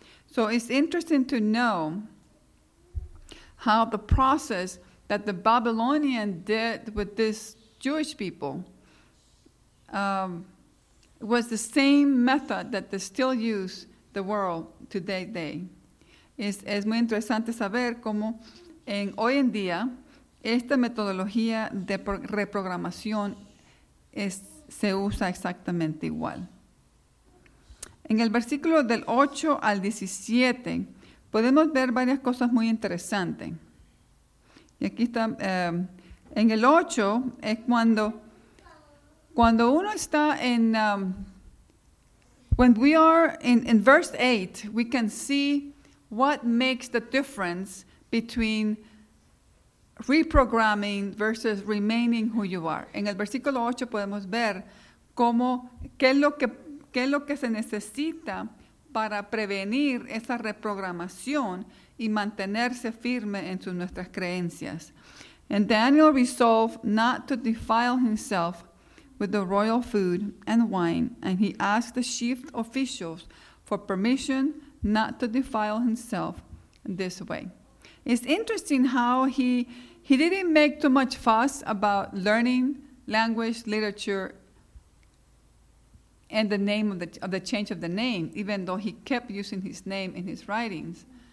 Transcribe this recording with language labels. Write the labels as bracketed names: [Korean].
[English] So it's interesting to know how the process that the Babylonian did with this Jewish people was the same method that they still use the world today. [Spanish] Es muy interesante saber cómo en hoy en día esta metodología de reprogramación es se usa exactamente igual. En el versículo del 8 al 17, podemos ver varias cosas muy interesantes. Y aquí está, en el 8 es cuando uno está en, [English] when we are in verse 8, we can see what makes the difference between reprogramming versus remaining who you are. [Spanish] En el versículo 8 podemos ver qué es lo que se necesita para prevenir esa reprogramación y mantenerse firme en nuestras creencias. [English] And Daniel resolved not to defile himself with the royal food and wine, and he asked the chief officials for permission not to defile himself this way. It's interesting how he didn't make too much fuss about learning language, literature, and the name of the change of the name, even though he kept using his name in his writings.